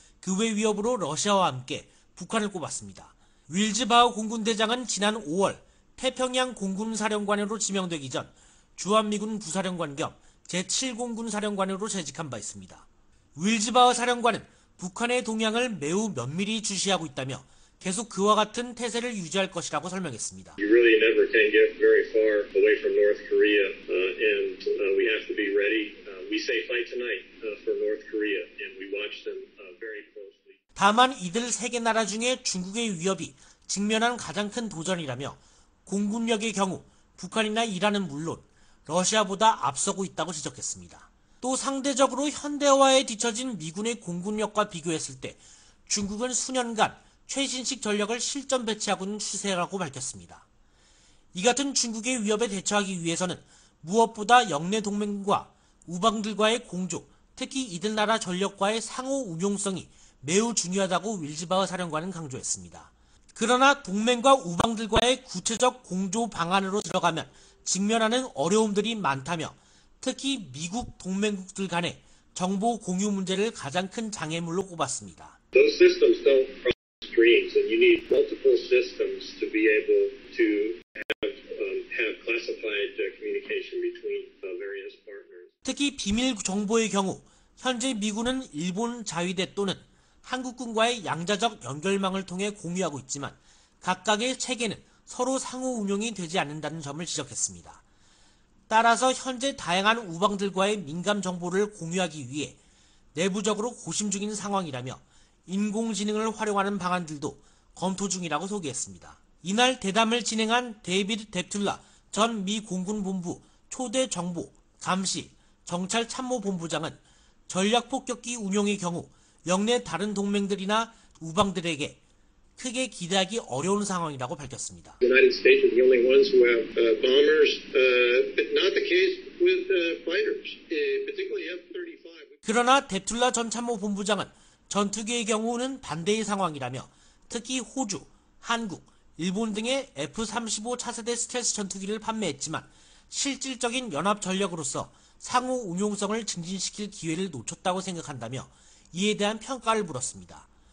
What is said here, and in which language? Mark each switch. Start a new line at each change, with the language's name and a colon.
Korean: 그 외 위협으로 러시아와 함께 북한을 꼽았습니다. 윌즈바우 공군대장은 지난 5월 태평양 공군사령관으로 지명되기 전 주한미군 부사령관 겸 제7공군사령관으로 재직한 바 있습니다. 윌즈바우 사령관은 북한의 동향을 매우 면밀히 주시하고 있다며 계속 그와 같은 태세를 유지할 것이라고 설명했습니다.
English: You really never can get very far away from North Korea, and we have to be ready. We say fight tonight for North Korea, and we watch them very closely.
Korean: 다만 이들 세 개 나라 중에 중국의 위협이 직면한 가장 큰 도전이라며 공군력의 경우 북한이나 이란은 물론 러시아보다 앞서고 있다고 지적했습니다. 또 상대적으로 현대화에 뒤처진 미군의 공군력과 비교했을 때 중국은 수년간 최신식 전력을 실전 배치하고는 추세라고 밝혔습니다. 이 같은 중국의 위협에 대처하기 위해서는 무엇보다 영내 동맹과 우방들과의 공조, 특히 이들 나라 전력과의 상호 운용성이 매우 중요하다고 윌즈바흐 사령관은 강조했습니다. 그러나 동맹과 우방들과의 구체적 공조 방안으로 들어가면 직면하는 어려움들이 많다며 특히 미국 동맹국들 간의 정보 공유 문제를 가장 큰 장애물로 꼽았습니다.
English: Those systems don't cross streams, and you need multiple systems to be able to have classified communication between various partners.
Korean: 특히 비밀 정보의 경우 현재 미군은 일본 자위대 또는 한국군과의 양자적 연결망을 통해 공유하고 있지만 각각의 체계는 서로 상호 운용이 되지 않는다는 점을 지적했습니다. 따라서 현재 다양한 우방들과의 민감 정보를 공유하기 위해 내부적으로 고심 중인 상황이라며 인공지능을 활용하는 방안들도 검토 중이라고 소개했습니다. 이날 대담을 진행한 데이비드 데툴라 전 미 공군본부 초대 정보, 감시, 정찰 참모 본부장은 전략폭격기 운용의 경우 영내 다른 동맹들이나 우방들에게 크게 기대하기 어려운 상황이라고 밝혔습니다.
English: United States are the only ones who have bombers, but not the case with fighters, particularly F-35.
Korean: 그러나 데툴라 전 참모 본부장은 전투기의 경우는 반대의 상황이라며 특히 호주, 한국, 일본 등의 F-35 차세대 스텔스 전투기를 판매했지만 실질적인 연합 전력으로서 상호 운용성을 증진시킬 기회를 놓쳤다고 생각한다며 이에 대한 평가를 물었습니다.